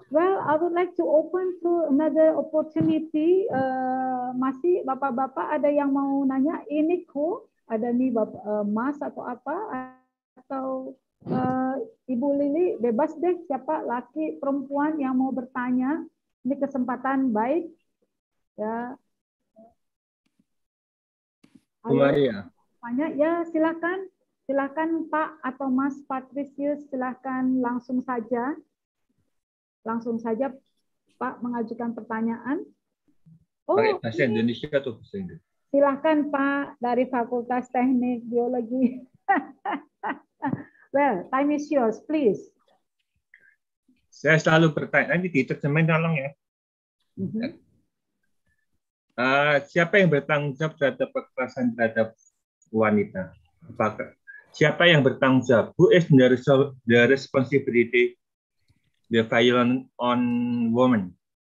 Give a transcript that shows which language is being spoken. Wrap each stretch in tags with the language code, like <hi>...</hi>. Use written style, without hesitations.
<en>Well, I would like to open to another opportunity.</en> <id>Masih bapak-bapak ada yang mau nanya? Ini ku ada nih bapak, Mas atau apa atau Ibu Lili, bebas deh siapa laki perempuan yang mau bertanya, ini kesempatan baik ya. Bu Maria. Tanya ya, silakan Pak atau Mas Patricius, silakan langsung saja Pak mengajukan pertanyaan. Oh, bahasa Indonesia tuh, bahasa Inggris. Silakan Pak dari Fakultas Teknik Biologi.</id> <en>Well, time is yours, please.</en> <id>Saya selalu bertanya, ini diterjemahin tolong ya. Siapa yang bertanggung jawab terhadap kekerasan terhadap wanita? Apakah siapa yang bertanggung jawab?</id> <en>Who is the responsibility the violence on women?</en>